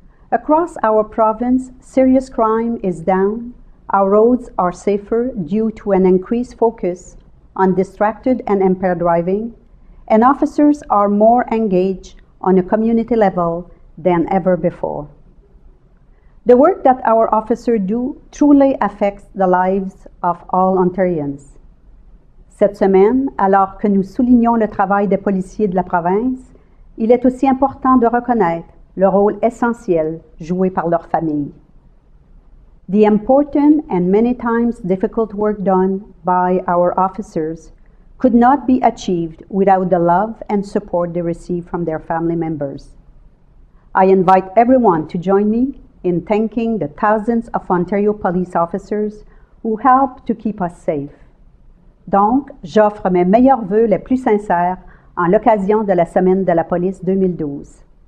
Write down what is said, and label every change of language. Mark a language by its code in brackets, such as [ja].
[en] Across our province, serious crime is down, our roads are safer due to an increased focus on distracted and impaired driving, and officers are more engaged on a community level than ever before. The work that our officers do truly affects the lives of all Ontarians. [fr] Cette semaine, alors que nous soulignons le travail des policiers de la province, il est aussi important de reconnaître le rôle essentiel joué par leurs familles. [en] The important and many times difficult work done by our officers could not be achieved without the love and support they receive from their family members. I invite everyone to join me in thanking the thousands of Ontario police officers who help to keep us safe. [fr] Donc, j'offre mes meilleurs vœux les plus sincères en l'occasion de la Semaine de la Police 2012.